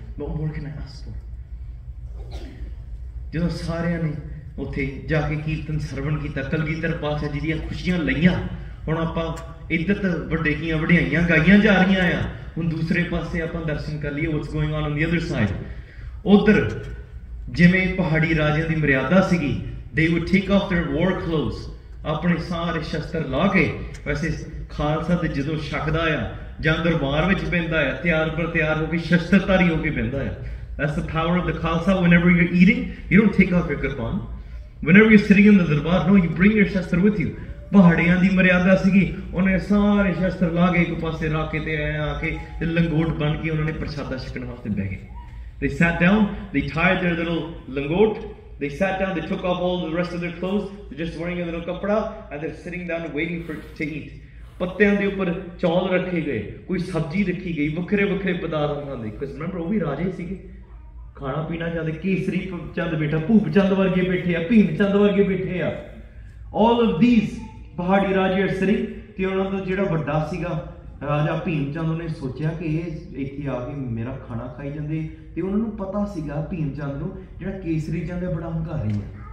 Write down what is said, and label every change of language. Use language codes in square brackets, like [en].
[pa] ਮੁੜ ਕੇ ਮੈਂ ਹੱਸ ਪਿਆ। ਜਦੋਂ ਸਾਰਿਆਂ ਨੇ ਉੱਥੇ ਜਾ ਕੇ ਕੀਰਤਨ ਸਰਵਣ ਕੀਤਾ, ਕਲਗੀਧਰ ਪਾਤਸ਼ਾਹ ਜੀ ਦੀਆਂ ਖੁਸ਼ੀਆਂ ਲਈਆਂ, ਹੁਣ ਆਪਾਂ ਇੱਧਰ ਤਾਂ ਵੱਡੇ ਕੀਆਂ ਵਡਿਆਈਆਂ ਗਾਈਆਂ ਜਾ ਰਹੀਆਂ ਆ, ਹੁਣ ਦੂਸਰੇ ਪਾਸੇ ਆਪਾਂ ਦਰਸ਼ਨ ਕਰ ਲਈਏ [en] What's going on the other side. [pa] ਉੱਧਰ ਜਿਵੇਂ ਪਹਾੜੀ ਰਾਜਿਆਂ ਦੀ ਮਰਿਆਦਾ ਸੀਗੀ, [en] they would take off their war clothes, [pa] ਆਪਣੇ ਸਾਰੇ ਸ਼ਸਤਰ ਲਾ ਕੇ, ਵੈਸੇ ਖਾਲਸਾ ਤਾਂ ਜਦੋਂ ਛਕਦਾ ਆ ਜਾਂ ਦਰਬਾਰ ਵਿੱਚ ਪੈਂਦਾ ਆ, ਤਿਆਰ ਪਰ ਤਿਆਰ ਹੋ ਕੇ ਸ਼ਸਤਰਧਾਰੀ ਹੋ ਕੇ ਪੈਂਦਾ ਆ। [en] That's the power of the Khalsa. Whenever you're eating, you don't take off your kirpan. Whenever you're sitting in the darbar, no, you bring your shastra with you. [pa] ਪਹਾੜੀਆਂ ਦੀ ਮਰਿਆਦਾ ਸੀਗੀ, ਉਹਨੇ ਸਾਰੇ ਸ਼ਸਤਰ ਲਾ ਕੇ ਇੱਕ ਪਾਸੇ ਰੱਖ ਕੇ ਤੇ ਆਇਆ ਆ ਕੇ ਤੇ ਲੰਗੋਟ ਬਣ ਕੇ ਉਹਨਾਂ ਨੇ ਪ੍ਰਸ਼ਾਦਾ ਛਕਣ ਵਾਸਤੇ ਬਹਿ ਗਏ। [en] They sat down, they tied their little langot, they sat down, they took off all the rest of their clothes, they're just wearing a little kapda, and they're sitting down waiting for it to eat. [pa] ਪੱਤਿਆਂ ਦੇ ਉੱਪਰ ਚੌਲ ਰੱਖੇ ਗਏ, ਕੋਈ ਸਬਜ਼ੀ ਰੱਖੀ ਗਈ, ਵੱਖਰੇ ਵੱਖਰੇ ਪਦਾਰਥ ਉਹਨਾਂ ਦੇ। ਕਿਸ ਮੈਂਬਰ ਉਹ ਵੀ ਰਾਜੇ ਸੀਗੇ, ਖਾਣਾ ਪੀਣਾ ਚਾਹੁੰਦੇ, ਕੇਸਰੀ ਚੰਦ ਬੈਠਾ, ਭੂਪ ਚੰਦ ਵਰਗੇ ਬੈਠੇ ਆ, ਭੀਮ ਚੰਦ ਵਰਗੇ ਬੈਠੇ ਆ, [en] all of these [pa] ਪਹਾੜੀ ਰਾਜੇ ਸਰੀ। ਅਤੇ ਉਹਨਾਂ ਦਾ ਜਿਹੜਾ ਵੱਡਾ ਸੀਗਾ ਰਾਜਾ ਭੀਮ ਚੰਦ, ਉਹਨੇ ਸੋਚਿਆ ਕਿ ਇਹ ਇੱਥੇ ਆ ਕੇ ਮੇਰਾ ਖਾਣਾ ਖਾਈ ਜਾਂਦੇ, ਅਤੇ ਉਹਨਾਂ ਨੂੰ ਪਤਾ ਸੀਗਾ ਭੀਮ ਚੰਦ ਨੂੰ ਜਿਹੜਾ ਕੇਸਰੀ ਚੰਦ ਹੈ ਬੜਾ ਹੰਕਾਰੀ ਹੈ।